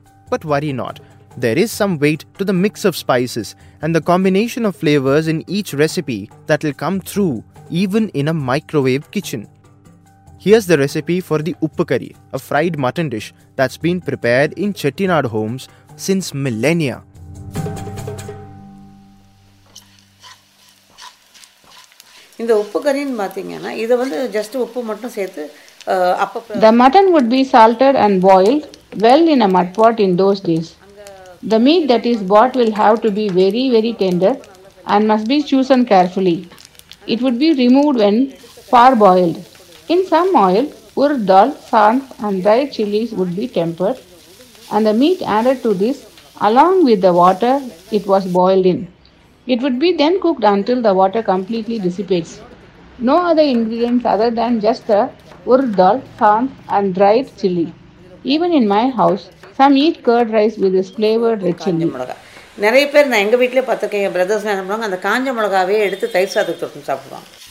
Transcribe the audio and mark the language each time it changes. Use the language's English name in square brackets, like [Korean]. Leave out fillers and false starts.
[English] But worry not, there is some weight to the mix of spices and the combination of flavors in each recipe that will come through even in a microwave kitchen. Here's the recipe for the uppakari, a fried mutton dish that's been prepared in Chettinad homes since millennia. [Tamil] இந்த உப்பு கறின்னு பார்த்தீங்கன்னா, இதை வந்து just உப்பு மட்டும் சேர்த்து அப்போ [English] The mutton would be salted and boiled well in a mud pot in those days. The meat that is put will have to be very very tender and must be chosen carefully. It would be removed when for boiled. In some oil ஒரு dal, saanth and dry chillies would be temper and the meat added to this along with the water it was boiled in. It would be then cooked until the water completely dissipates. No other ingredients other than just the urad dal, saanth and dried chilli. Even in my house, some eat curd rice with this flavored red chilli. [Tamil] நிறைய பேர் நான் எங்கள் வீட்டிலே பார்த்துருக்கேன், என் brothers என்ன பண்ணுவாங்க, அந்த காஞ்ச மிளகாவே எடுத்து தயிர் சாதத்துக்கு தொட்டு சாப்பிடுவாங்க.